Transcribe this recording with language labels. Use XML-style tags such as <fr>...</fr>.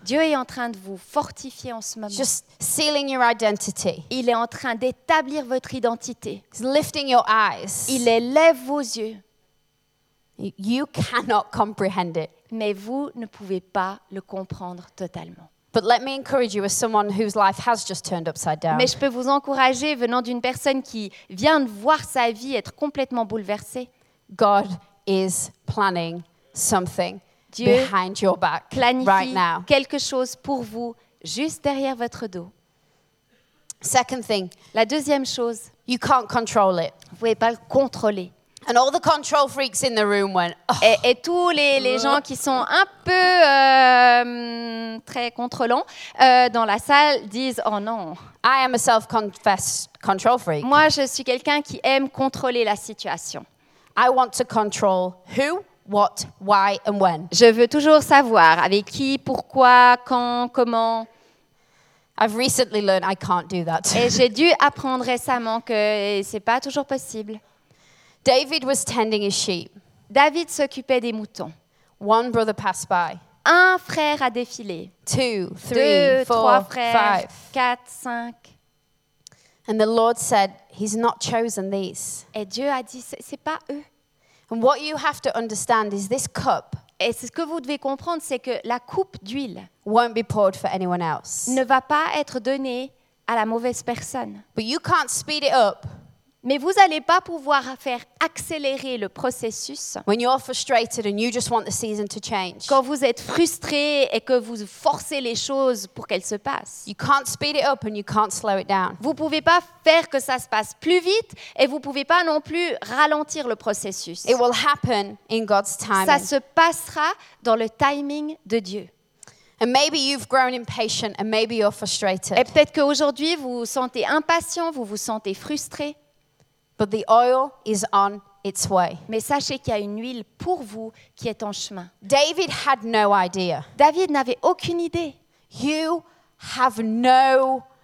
<fr>Dieu est en train de vous fortifier en ce moment.</fr> <en>Just sealing your identity.</en> <fr>Il est en train d'établir votre identité.</fr> <en>He's lifting your eyes.</en> <fr>Il élève vos yeux.</fr> <en>You cannot comprehend it.</en> <fr>Mais vous ne pouvez pas le comprendre totalement.</fr> <en>But let me encourage you as someone whose life has just turned upside down.</en> <fr>Mais je peux vous encourager venant d'une personne qui vient de voir sa vie être complètement bouleversée.</fr> <en>God is planning something</en> <fr>Dieu</fr> <en>behind your back</en> <fr>planifie</fr> <en>right now.</en> <fr>Quelque chose pour vous juste derrière votre dos.</fr> <en>Second thing,</en> <fr>la deuxième chose,</fr> <en>you can't control it.</en> <fr>Vous pouvez pas le contrôler.</fr> <en>And all the control freaks in the room went. Oh.</en> <fr>Et tous les gens qui sont un peu très contrôlants dans la salle disent oh non.</fr> <en>I am a self-confessed control freak.</en> <fr>Moi, je suis quelqu'un qui aime contrôler la situation.</fr> <en>I want to control who, what, why, and when.</en> <fr>Je veux toujours savoir avec qui, pourquoi, quand, comment.</fr> <en>I've recently learned I can't do that.</en> <fr>Et j'ai dû apprendre récemment que c'est pas toujours possible.</fr> <en>David was tending his sheep.</en> <fr>David s'occupait des moutons.</fr> <en>One brother passed by.</en> <fr>Un frère a défilé.</fr> <en>Two, three,</en> <fr>Deux, trois frères,</fr> <en>five.</en> <fr>Quatre, cinq.</fr> <en>And the Lord said, he's not chosen these.</en> <fr>Et Dieu a dit, c'est pas eux.</fr> <en>And what you have to understand is this cup.</en> <fr>Et ce que vous devez comprendre, c'est que la coupe d'huile</fr> <en>won't be poured for anyone else.</en> <fr>Ne va pas être donnée à la mauvaise personne.</fr> <en>But you can't speed it up.</en> <fr>Mais vous n'allez pas pouvoir faire accélérer le processus.</fr> <en>When you're frustrated and you just want the season to change.</en> <fr>Quand vous êtes frustré et que vous forcez les choses pour qu'elles se passent.</fr> <en>You can't speed it up and you can't slow it down.</en> <fr>Vous ne pouvez pas faire que ça se passe plus vite et vous ne pouvez pas non plus ralentir le processus.</fr> <en>It will happen in God's timing.</en> <fr>Ça se passera dans le timing de Dieu.</fr> <en>And maybe you've grown impatient and maybe you're frustrated.</en> <fr>Et peut-être qu'aujourd'hui vous vous sentez impatient, vous vous sentez frustré.</fr> <en>But the oil is on its way.</en> <fr>Mais sachez qu'il y a une huile pour vous qui est en chemin.</fr> <en>David had no idea.</en> <fr>David n'avait aucune idée.</fr> <en>You have no</en>